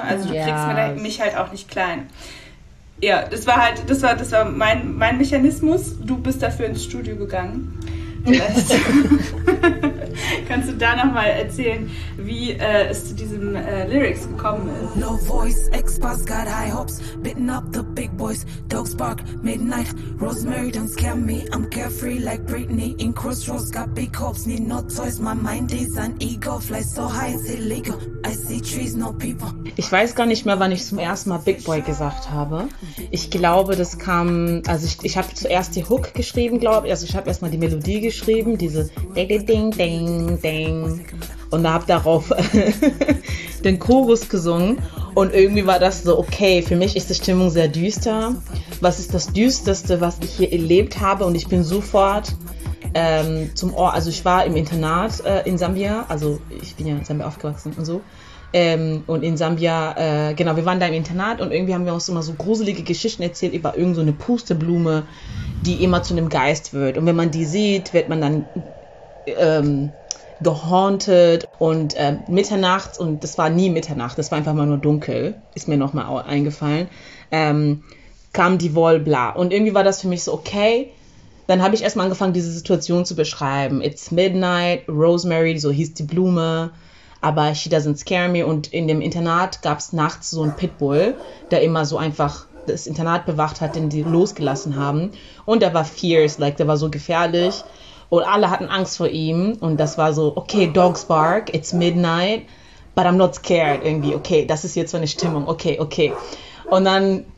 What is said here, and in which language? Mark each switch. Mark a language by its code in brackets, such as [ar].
[de] Also du kriegst mich halt auch nicht klein. Ja, das war mein Mechanismus. Du bist dafür ins Studio gegangen. Kannst du da nochmal erzählen, wie es zu diesem Lyrics gekommen ist? [en] No voice, ex-boss got high hopes, bitten up the big boys, dogs bark, midnight, rosemary don't scare me, I'm carefree like Britney, in crossroads got big hopes, need no toys, my mind is an ego, fly so high, it's illegal, I see trees, no people. [de] Ich weiß gar nicht mehr, wann ich zum ersten Mal Big Boy gesagt habe. Ich glaube, das kam, also ich habe zuerst die Hook geschrieben, glaube ich, also ich habe erstmal die Melodie geschrieben, diese ding ding ding ding und habe darauf den Chorus gesungen und irgendwie war das so, okay, für mich ist die Stimmung sehr düster, was ist das Düsterste, was ich hier erlebt habe und ich bin sofort zum Ort, also ich war im Internat in Sambia, also ich bin ja in Sambia aufgewachsen und so und in Sambia, genau, wir waren da im Internat und irgendwie haben wir uns immer so gruselige Geschichten erzählt über irgend so eine Pusteblume, die immer zu einem Geist wird. Und wenn man die sieht, wird man dann gehauntet und mitternachts, und das war nie Mitternacht, das war einfach mal nur dunkel, ist mir nochmal eingefallen, kam die Wolbla. Und irgendwie war das für mich so, okay, dann habe ich erstmal angefangen, diese Situation zu beschreiben. [en] It's midnight, [de] Rosemary, so hieß die Blume, aber [en] she doesn't scare me. [de] Und in dem Internat gab es nachts so einen Pitbull, der immer so einfach das Internat bewacht hat, den die losgelassen haben. Und der war fierce, like, der war so gefährlich. Und alle hatten Angst vor ihm. Und das war so, okay, [en] dogs bark, it's midnight, but I'm not scared. [de] Irgendwie, okay, das ist jetzt so eine Stimmung, okay, okay. Und dann